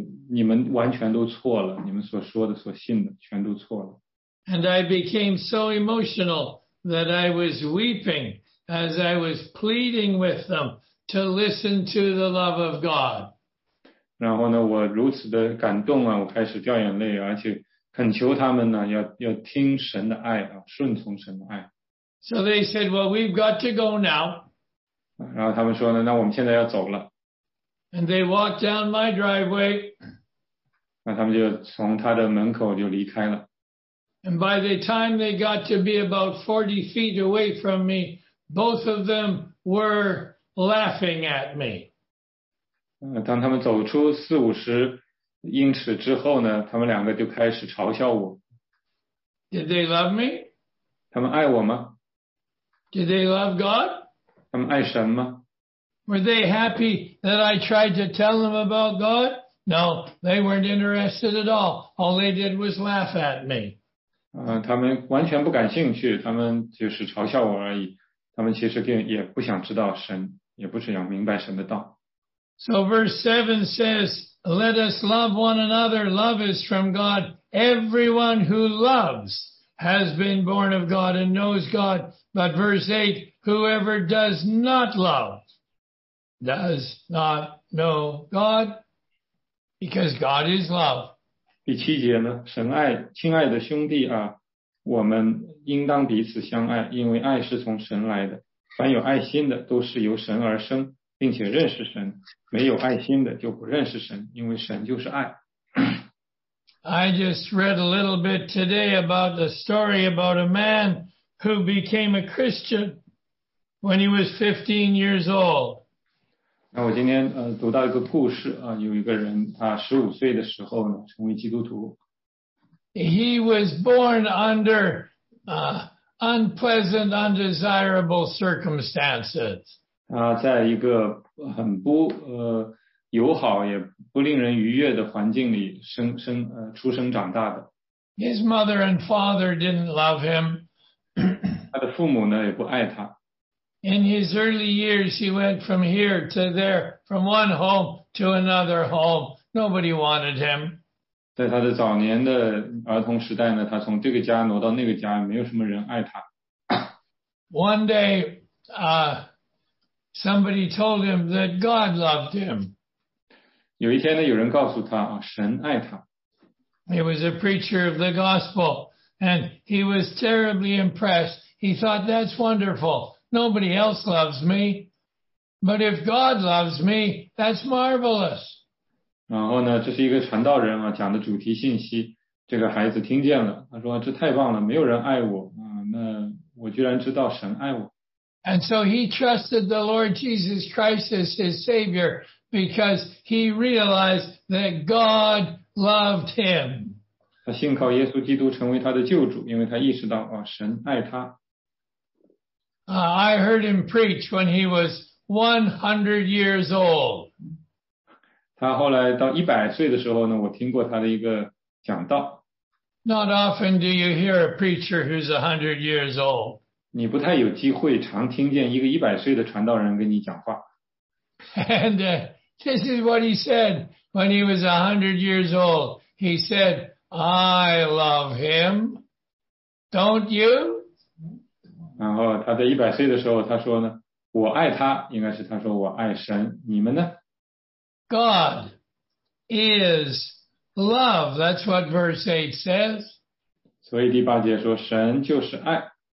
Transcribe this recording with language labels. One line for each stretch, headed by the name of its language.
Chinese: 你们完全都错了，你们所说的所信的全都错了。
English: And I became so emotional. That I was weeping as I was pleading with them to listen to the love of God.
Chinese: 然后呢，我如此的感动啊，我开始掉眼泪，而且恳求他们呢，要听神的爱啊，顺从神的爱。
English: So they said, "Well, we've got to go now."
Chinese: 然后他们说呢，那我们现在要走了。
English: And they walked down my driveway.
Chinese: 那他们就从他的门口就离开了。
English: And by the time they got to be about 40 feet away from me, both of them were laughing at me.
Chinese: 当他们走出四五十英尺之后呢，他们两个就开始嘲笑我。
English: Did they love me?
Chinese: 他们爱我吗？
English: Did they love God?
Chinese: 他们爱神吗？
English: Were they happy that I tried to tell them about God? No, they weren't interested at all. All they did was laugh at me.
Chinese: 他们完全不感兴趣，他们就是嘲笑我而已。他们其实也不想知道神，也不想明白神的道。
English: So verse 7 says, Let us love one another. Love is from God. Everyone who loves has been born of God and knows God. But verse 8, Whoever does not love does not know God, because God is love.
Chinese: 第七节呢，神爱，亲爱的兄弟啊，我们应当彼此相爱，因为爱是从神来的。凡有爱心的都是由神而生，并且认识神。没有爱心的就不认识神，因为神就是爱。
English: I just read a little bit today about the story about a man who became a Christian when he was 15 years old.
Chinese: 那我今天读到一个故事啊，有一个人他15岁的时候呢成为基督徒。
English: He was born under unpleasant, undesirable circumstances.
Chinese: 他在一个很不友好也不令人愉悦的环境里出生长大的。
English: His mother and father didn't love him.
Chinese: 他的父母呢也不爱他。
English: In his early years, he went from here to there, from one home to another home. Nobody wanted him.
Chinese: 在他的早年的儿童时代呢，他从这个家挪到那个家，没有什么人爱他。
English: One day, somebody told him that God loved him.
Chinese: 有一天呢，有人告诉他啊，神爱他。
English: He was a preacher of the gospel, and he was terribly impressed. He thought, that's wonderful. Nobody else loves me, but if God loves me, that's marvelous.
Chinese: 然后呢，这是一个传道人啊讲的主题信息。这个孩子听见了，他说：“这太棒了，没有人爱我啊，那我居然知道神爱我。”
English: And so he trusted the Lord Jesus Christ as his Savior because he realized that God loved him.
Chinese: 他信靠耶稣基督成为他的救主，因为他意识到啊，神爱他。
English: I heard him preach when he was 100 years old.
Chinese: 他后来到100岁的时候呢，我听过他的一个讲道。
English: Not often do you hear a preacher who's 100 years old.
Chinese: 你不太有机会常听见一个100岁的传道人跟你讲话。
English: And this is what he said when he was 100 years old. He said, I love him. Don't you?
Chinese: 然后他在100岁的时候他说呢，我爱他，应该是他说我爱神，你们呢？
English: God is love, that's what verse 8 says.
Chinese: 所以第八节说神就是爱。